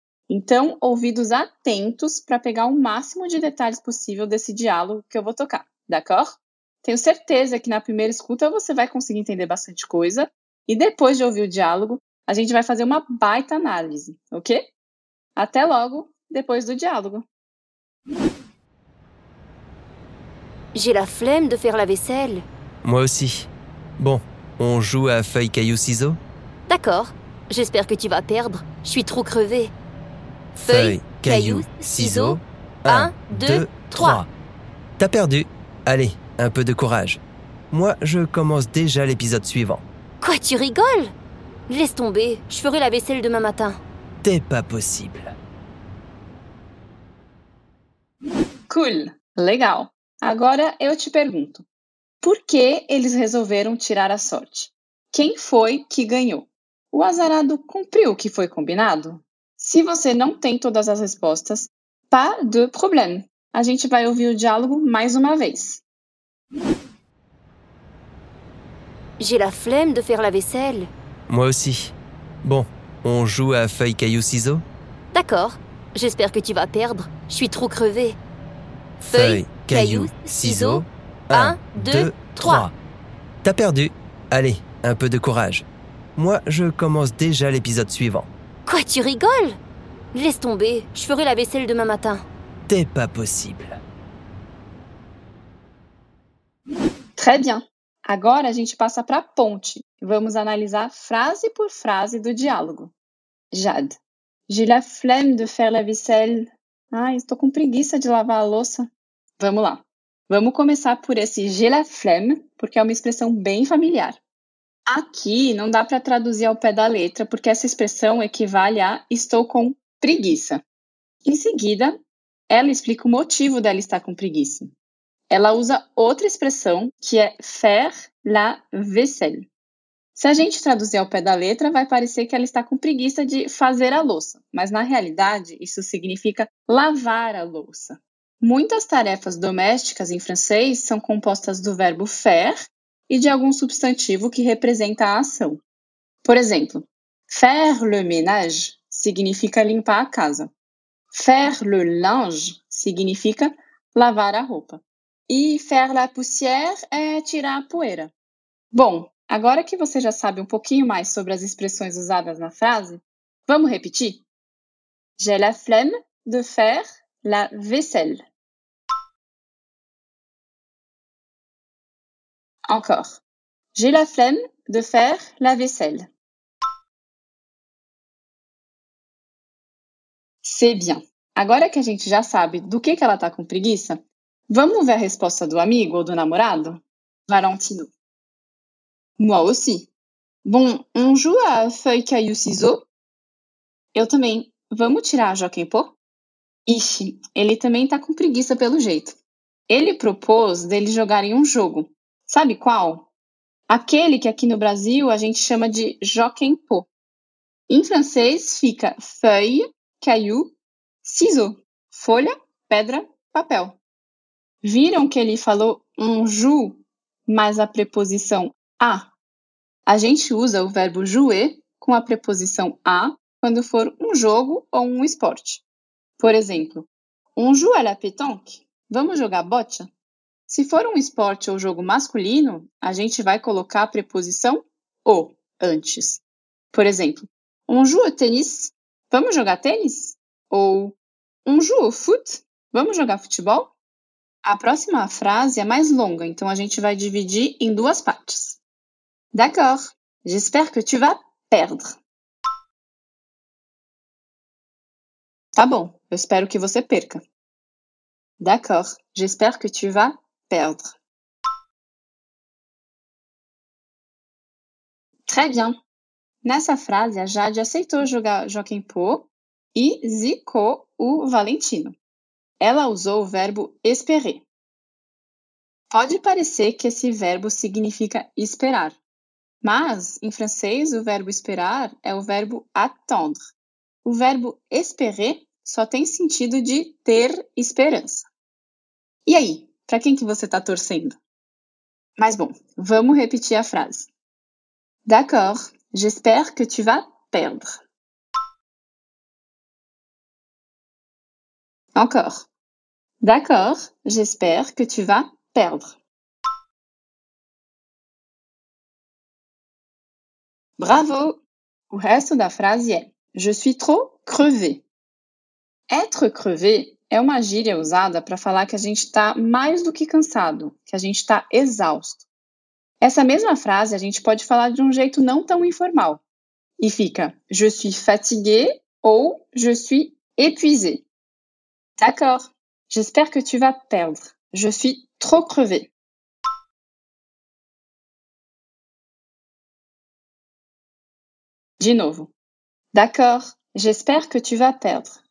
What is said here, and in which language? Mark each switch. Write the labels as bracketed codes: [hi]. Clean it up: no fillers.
[pt] Então, ouvidos atentos para pegar o máximo de detalhes possível desse diálogo que eu vou tocar, [fr] d'accord? [pt] Tenho certeza que na primeira escuta você vai conseguir entender bastante coisa e depois de ouvir o diálogo, a gente vai fazer uma baita análise, ok? Até logo, depois do diálogo. [fr] J'ai la flemme de faire la vaisselle. Moi aussi. Bon, on joue à feuille, caillou, ciseaux? D'accord. J'espère que tu vas perdre. Je suis trop crevée. Feuille, caillou, ciseaux. 1, 2, 3. T'as perdu. Allez, un peu de courage. Moi, je commence déjà l'épisode suivant. Quoi, tu rigoles? Laisse tomber, je ferai la vaisselle demain matin. T'es pas possible. Cool, légal. [pt] Agora eu te pergunto, por que eles resolveram tirar a sorte? Quem foi que ganhou? O azarado cumpriu o que foi combinado? Se você não tem todas as respostas, [fr] pas de problème. [pt] A gente vai ouvir o diálogo mais uma vez. [fr] J'ai la flemme de faire la vaisselle. Moi aussi. Bon, on joue à feuille, caillou, ciseaux? D'accord. J'espère que tu vas perdre. Je suis trop crevée. Feuille, caillou, ciseaux. 1, 2, 3. T'as perdu. Allez, un peu de courage. Moi, je commence déjà l'épisode suivant. Quoi, tu rigoles? Laisse tomber, je ferai la vaisselle demain matin. T'es pas possible. Très bien. [pt] Agora a gente passa pra ponte. Vamos analisar frase por frase do diálogo. Jade. [fr] J'ai la flemme de faire la vaisselle. [pt] Ai, estou com preguiça de lavar a louça. Vamos lá. Vamos começar por esse [fr] j'ai la flemme, [pt] porque é uma expressão bem familiar. Aqui não dá para traduzir ao pé da letra, porque essa expressão equivale a estou com preguiça. Em seguida, ela explica o motivo dela estar com preguiça. Ela usa outra expressão, que é [fr] faire la vaisselle. [pt] Se a gente traduzir ao pé da letra, vai parecer que ela está com preguiça de fazer a louça. Mas, na realidade, isso significa lavar a louça. Muitas tarefas domésticas em francês são compostas do verbo faire e de algum substantivo que representa a ação. Por exemplo, [fr] faire le ménage [pt] significa limpar a casa. [fr] Faire le linge [pt] significa lavar a roupa. E [fr] faire la poussière [pt] é tirar a poeira. Bom, agora que você já sabe um pouquinho mais sobre as expressões usadas na frase, vamos repetir? [fr] J'ai la flemme de faire la vaisselle. Encore. J'ai la flemme de faire la vaisselle. C'est bien. [pt] Agora que a gente já sabe do que ela tá com preguiça, vamos ver a resposta do amigo ou do namorado? [fr] Valentino. Moi aussi. Bon, on joue à feuille, caillou, ciseaux? [pt] Eu também. Vamos tirar a Joquempô? Ixi, ele também tá com preguiça pelo jeito. Ele propôs deles jogarem um jogo. Sabe qual? Aquele que aqui no Brasil a gente chama de Joquempô. Em francês fica [fr] feuille, caillou, ciseaux. [pt] Folha, pedra, papel. Viram que ele falou um jou mais a preposição a? A gente usa o verbo jouer com a preposição a quando for um jogo ou um esporte. [fr] Por exemplo, on joue à la pétanque? [pt] Vamos jogar bocha? Se for um esporte ou jogo masculino, a gente vai colocar a preposição o antes. [fr] Por exemplo, on joue au tennis? [pt] Vamos jogar tênis? [fr] Ou on joue au foot? [pt] Vamos jogar futebol? A próxima frase é mais longa, então a gente vai dividir em duas partes. [fr] D'accord. J'espère que tu vas perdre. [pt] Tá bom. Eu espero que você perca. [fr] D'accord. J'espère que tu vas perdre. Très bien. [pt] Nessa frase, a Jade aceitou jogar Joquempô e zicou o Valentino. Ela usou o verbo esperer. Pode parecer que esse verbo significa esperar, mas, em francês, o verbo esperar é o verbo attendre. O verbo espérer só tem sentido de ter esperança. E aí, para quem que você está torcendo? Mas bom, vamos repetir a frase. [fr] D'accord, j'espère que tu vas perdre. Encore. D'accord, j'espère que tu vas perdre. [pt] Bravo! O resto da frase é: [fr] je suis trop crevé. [pt] Être crevé é uma gíria usada para falar que a gente está mais do que cansado, que a gente está exausto. Essa mesma frase a gente pode falar de um jeito não tão informal. E fica: [fr] je suis fatigué ou je suis épuisé. D'accord, j'espère que tu vas perdre. Je suis trop crevé. [pt] De novo. [fr] D'accord, j'espère que tu vas perdre.